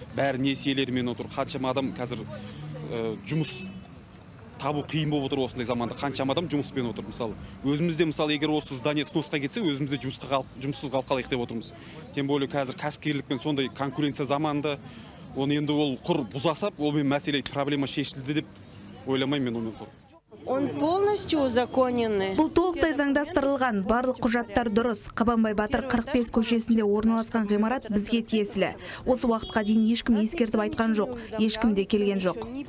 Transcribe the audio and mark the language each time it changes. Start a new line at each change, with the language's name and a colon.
Kazakh: Бәрі несиелермен отыр. Қаншама адам қазір жұмыс табу қиын болып отыр осындай заманда. Қаншама адам жұмыспен отыр мысалы. Өзімізде мысалы егер осы здание сносқа кетсе, өзімізде жұмыссыз қалайық деп отырмыз.
Russian: Тем более
Kazakh: қазір кәсіпкерлікпен сондай конкуренция заманында оны енді ол құр бұзасап, ол мен мәселе проблема шешілді деп ойламаймын мен оны.
Russian: Он полностью законенный.
Kazakh: Бұл толықтай заңдастырылған, барлық құжаттар дұрыс. Қабанбай Батыр 45 көшесінде орналасқан ғимарат бізге тиесілі. Осы уақытқа дейін ешкім ескертіп айтқан жоқ, ешкім де келген жоқ.